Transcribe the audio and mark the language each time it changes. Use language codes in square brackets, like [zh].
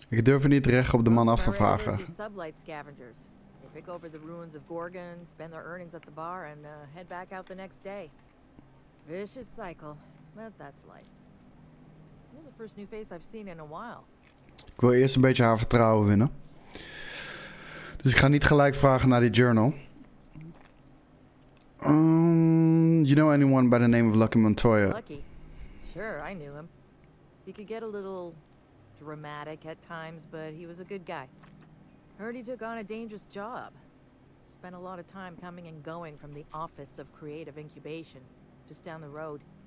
[nl] Ik durf niet recht op de man af te vragen. [en] Sublight scavengers. They pick over the ruins of Gorgon, spend their earnings at the bar, and head back out the next day. Vicious cycle. But that's life. You're the first new face I've seen in a while. [nl] Ik wil eerst een beetje haar vertrouwen winnen. Dus ik ga niet gelijk vragen naar die journal. [en] You know anyone by the name of Lucky Montoya? Lucky? Sure, I knew him. He could get a little dramatic at times, but he was a good guy. Heard he took on a dangerous job. Spent a lot of time coming and going from the office of creative incubation, just down the road.